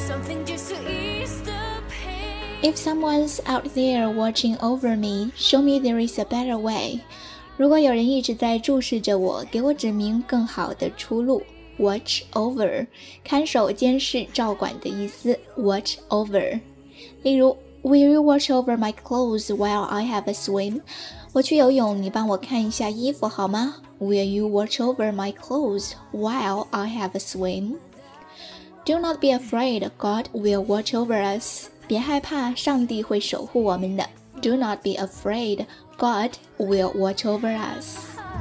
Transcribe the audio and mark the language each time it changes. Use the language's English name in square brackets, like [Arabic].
[English] If someone's out there watching over me, show me there is a better way. [Chinese] 如果有人一直在注视着我，给我指明更好的出路。 Watch over, 看守、监视、照管的意思。 [English] Watch over. 例如 ,Will you watch over my clothes while I have a swim? [Chinese] 我去游泳，你帮我看一下衣服好吗 [English] ?Will you watch over my clothes while I have a swim? Do not be afraid, God will watch over us. [Chinese] 别害怕，上帝会守护我们的。 [English] Do not be afraid, God will watch over us.